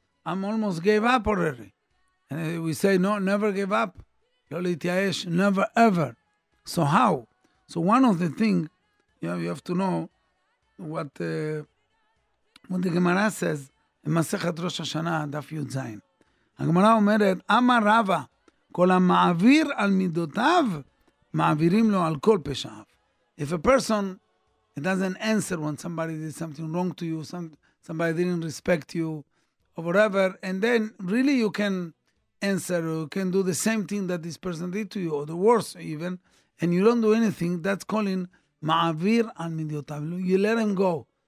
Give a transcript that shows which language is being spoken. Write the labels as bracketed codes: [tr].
[en] I'm almost gave up already. And we say, no, never give up. Never, ever. So how? So one of the things, you have to know what the Gemara says in Masechet Rosh Hashanah, Daf Yud Zayin. [he] הגמרא אומרת, אמר רבה, כל המעביר על מידותיו, מעבירים לו על כל פשעיו. [en] If a person doesn't answer when somebody did something wrong to you, somebody didn't respect you, or whatever, and then really you can answer, you can do the same thing that this person did to you, or the worse even, and you don't do anything, that's calling [he] מעביר על מידותיו. [en] You let him go.